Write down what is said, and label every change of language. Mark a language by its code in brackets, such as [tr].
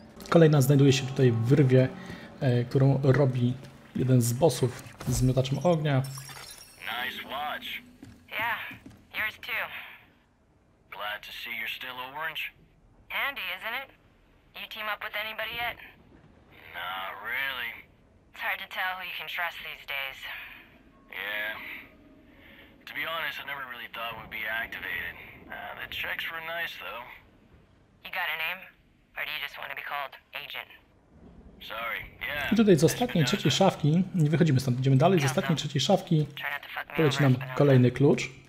[pl] Kolejna znajduje się tutaj w wyrwie, którą robi jeden z bossów z miotaczem ognia. [en] Nice watch. Yeah, yours too. Glad to see you're still orange. Andy, isn't it? You team up with anybody yet? Not really. It's hard to tell who you can trust these days. Yeah. To be honest, I never really thought we'd be activated. The checks were nice though. You got a name? Or do you just want to be called agent? Sorry. Yeah. [pl] I tutaj z ostatniej trzeciej szafki, nie wychodzimy stąd, idziemy dalej, z ostatniej trzeciej szafki poleci nam kolejny klucz.